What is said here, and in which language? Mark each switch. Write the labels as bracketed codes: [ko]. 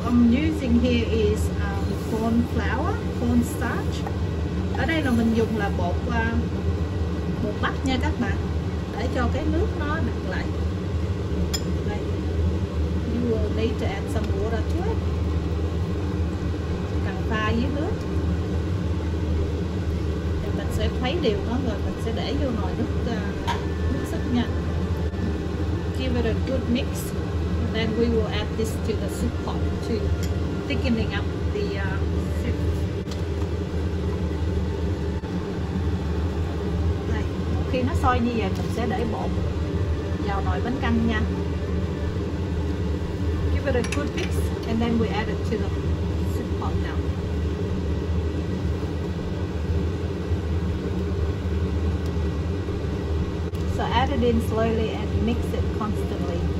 [en] I'm using here is corn flour, corn starch. [vi] Ở đây là mình dùng là bột bột bắp nha các bạn, để cho cái nước nó đặc lại. Đây. [en] You will need to add some water to it. [vi] Cần pha với nước. Thì mình sẽ khuấy đều nó rồi mình sẽ để vô nồi nước súp nha. [en] Give it a good mix. Then we will add this to the soup pot too. thickening up the soup. Đây. [vi] Khi nó sôi như vậy mình sẽ để bột vào nồi bánh canh nha. [en] Give it a good mix and then we add it to the soup pot now. So add it in slowly and mix it constantly.